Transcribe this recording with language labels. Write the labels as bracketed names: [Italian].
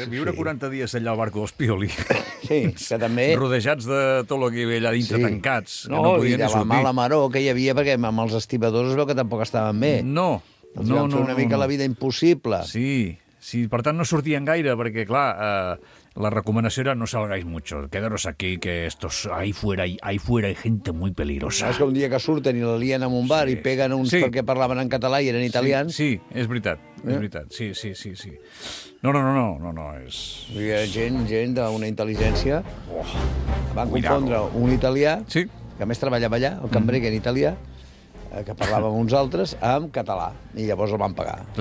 [Catalan] Viure 40 dies allà al barco dels Pioli. Sí, que també... Rodejats de tot el que hi havia allà dintre, sí, tancats. No podien sortir. La mala maror que hi havia, perquè amb els estibadors es veu que tampoc estaven bé. Els van fer una mica la vida impossible. Sí, per tant no sortien gaire, perquè clar... La recomanació era [Spanish] no salgáis mucho, quedaros aquí, que estos ahí fuera hay gente muy peligrosa. [Catalan] És que un dia que surten i la lien en un bar, sí, i peguen uns, sí, perquè parlaven en català i eren italians. Sí, és veritat, sí. No, és... Hi ha gent d'una intel·ligència, van confondre un italià, sí, que a més treballava allà, el cambrer, que era italià, que parlava amb uns altres, en català. I llavors el van pagar. Sí.